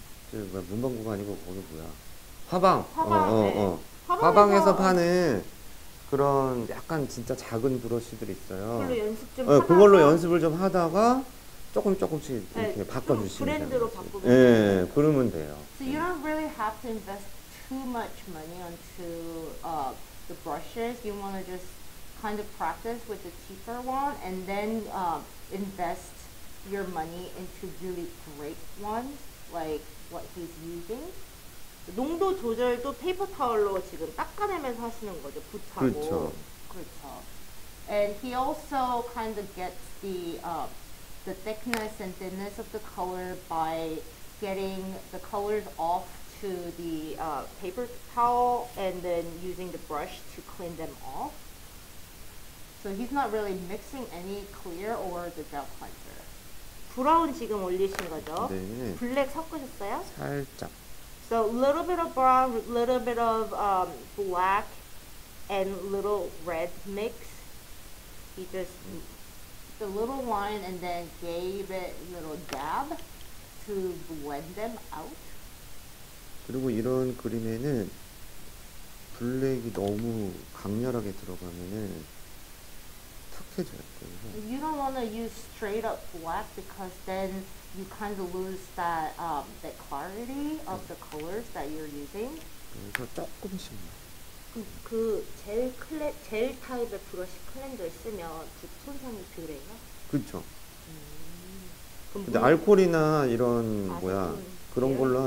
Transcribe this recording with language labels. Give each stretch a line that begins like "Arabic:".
Korean: 저 뭐야 문방구가 아니고 거기 뭐야? 화방. 화방. 화방에서 파는. 그런 약간 진짜 작은 브러쉬들이 있어요. 그걸로 연습 좀 하다가 그걸로 연습을 좀 하다가 조금씩 이렇게 바꿔주시면 돼요. 브랜드로 바꾸면 돼요. 예, 그러면 돼요.
English: So you don't really have to invest too much money onto the brushes. You want to just kind of practice with the cheaper one and then invest your money into really great ones like what he's using.
Korean: 농도 조절도 페이퍼 타월로 지금 닦아내면서 하시는 거죠. 붓하고. 그렇죠. 그렇죠.
English: And he also kind of gets the thickness and thinness of the color by getting the colors off to the paper towel and then using the brush to clean them off. So he's not really mixing any clear or the gel cleanser.
Korean: 브라운 지금 올리신 거죠? 네. 블랙 섞으셨어요? 살짝.
English: So a little bit of brown, a little bit of black, and little red mix. He just the little line and then gave it a little dab to blend them out.
Korean: 그리고 이런 그림에는 블랙이 너무 강렬하게 들어가면은 탁해져요.
English: You don't want to use straight up black because then you kind of lose that that clarity of the colors that you're using.
Korean: 그래서 조금씩만. 그 젤 타입의 브러쉬 클렌저를 쓰면 붓 손상이 덜해요? 그렇죠. 근데 알코올이나 이런 뭐야 그런 걸로 이런?